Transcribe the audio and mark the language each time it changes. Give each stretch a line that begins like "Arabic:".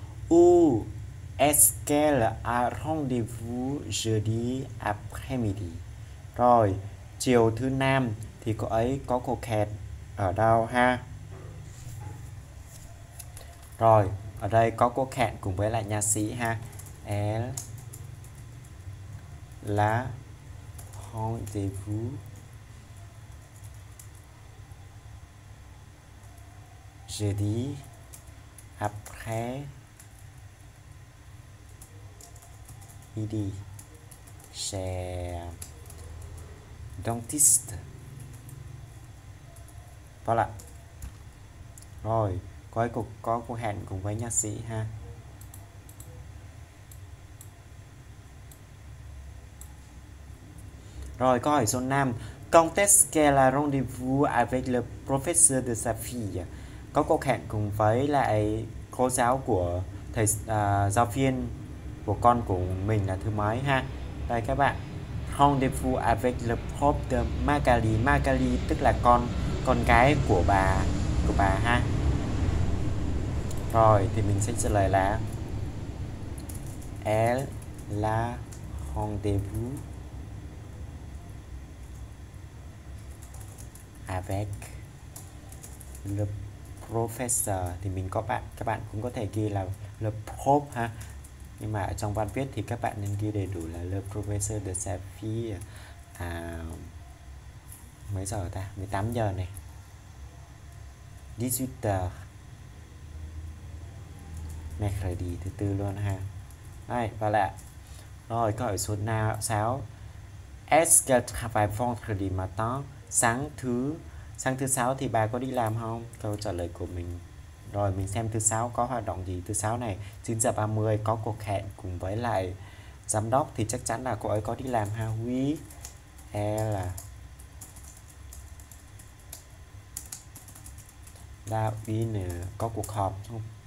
French: U Est-ce qu'elle a rendez-vous jeudi après-midi?
Vietnamese: Rồi, chiều thứ năm thì cô ấy có cuộc hẹn ở đâu ha? Rồi, ở đây có cuộc hẹn cùng với lại nha sĩ ha.
French: Elle là rendez-vous jeudi après midi chez dentiste. Voilà.
Vietnamese: Rồi, có cuộc hẹn cùng với nha sĩ ha. Rồi, câu hỏi số 5.
French: Quand est-ce qu'elle a rendez-vous avec le professeur de sa fille?
Vietnamese: Có cuộc hẹn cùng với lại cô giáo của thầy giáo viên của con của mình là thứ mấy ha. Đây các bạn,
French: rendezvous avec le prof de Magali.
Vietnamese: Magali tức là con gái của bà ha. Rồi thì mình sẽ trả lời là
French: elle là rendezvous avec le professeur.
Vietnamese: Thì mình có bạn, các bạn cũng có thể ghi là
French: le prof
Vietnamese: ha. Nhưng mà ở trong văn viết thì các bạn nên ghi đầy đủ là
French: le professeur de sa fille.
Vietnamese: À, mấy giờ ta? 18 giờ này. 18 giờ. Mercredi thứ tư luôn ha. Đây, và lại. Rồi, câu hỏi số 6.
French: Est-ce qu'elle travaille vendredi matin?
Vietnamese: Sáng thứ 6 thì bà có đi làm không? Câu trả lời của mình. Rồi mình xem thứ sáu có hoạt động gì. Thứ sáu này 9h30 có cuộc hẹn cùng với lại giám đốc thì chắc chắn là cô ấy có đi làm ha.
French: Oui, elle là là une,
Vietnamese: có cuộc họp không?